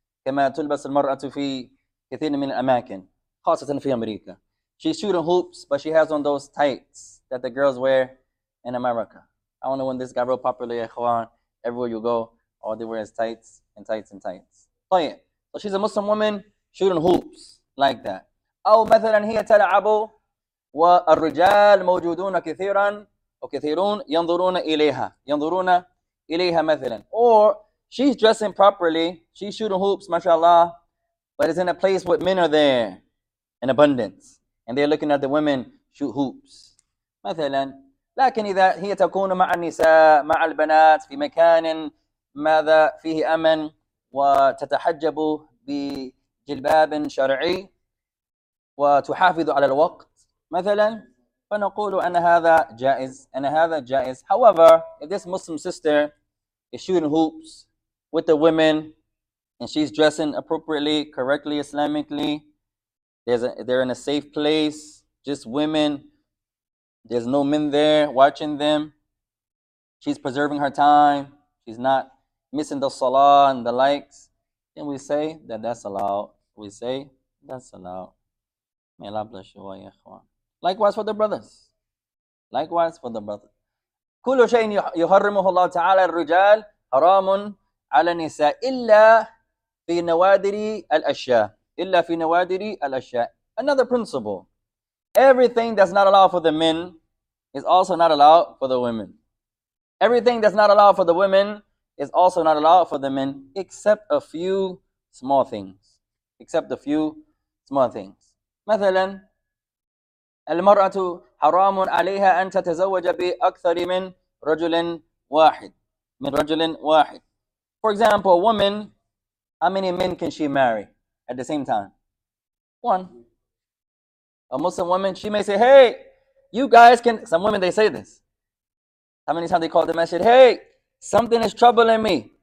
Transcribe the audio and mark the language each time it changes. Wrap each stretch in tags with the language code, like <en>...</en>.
<ar>كما تلبس المرأة في كثير من الأماكن, خاصة في أمريكا.</ar> <en>She's shooting hoops, but she has on those tights that the girls wear in America. I don't know when this got real popular, ikhwan. Everywhere you go, all they wear is tights and tights and tights. So yeah, so she's a Muslim woman shooting hoops like that.</en> <ar>أو مثلا هي تلعب والرجال موجودون كثيرا وكثيرون ينظرون إليها ينظرون إليها مثلا.</ar> <en>Or she's dressing properly, she's shooting hoops, mashallah, but it's in a place where men are there in abundance and they're looking at the women shoot hoops.</en> <ar>مثلا. لكن إذا هي تكون مع النساء مع البنات في مكان ماذا فيه أمن وتتحجب بجلباب شرعي وتحافظ على الوقت مثلا فنقول أن هذا جائز أن هذا جائز.</ar> <en>However, if this Muslim sister is shooting hoops with the women and she's dressing appropriately, correctly, Islamically, they're in a safe place, just women. There's no men there watching them. She's preserving her time. She's not missing the salah and the likes. And we say that that's allowed. We say that's allowed. May Allah bless you, ya ikhwan. Likewise for the brothers. Likewise for the brothers.</en> <ar>كل شيء يحرمه الله تعالى الرجال حرام على النساء إلا في نوادر الأشياء. إلا في نوادر الأشياء.</ar> <en>Another principle. Everything that's not allowed for the men is also not allowed for the women. Everything that's not allowed for the women is also not allowed for the men, except a few small things. Except a few small things.</en> <ar>مثلا, المرأة حرام عليها أن تتزوج بأكثر من رجل واحد. من رجل واحد.</ar> <en>For example, a woman, how many men can she marry at the same time? One. A Muslim woman, she may say, hey, you guys can, some women, they say this. How many times they call the masjid, hey, something is troubling me.</en>